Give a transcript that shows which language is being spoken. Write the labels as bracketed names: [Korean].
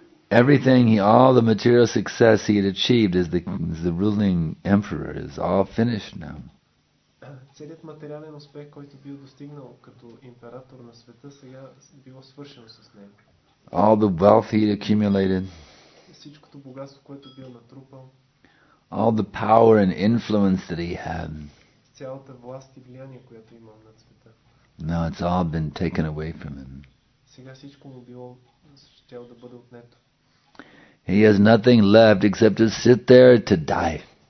[English] Everything, all the material success he had achieved as the ruling emperor is all finished now. [Bulgarian] Целият материален успех, който бил достигнал като император на света, сега било свършено с него. [English] All the wealth he accumulated. [Bulgarian] Всичкото богатство, което бил натрупал. [English] All the power and influence that he had. [Bulgarian] Цялата власт и влияние, което имал над света. [English] Now it's all been taken away from him. [Bulgarian] Сега всичко му било щял да бъде отнето. [English] He has nothing left except to sit there to die.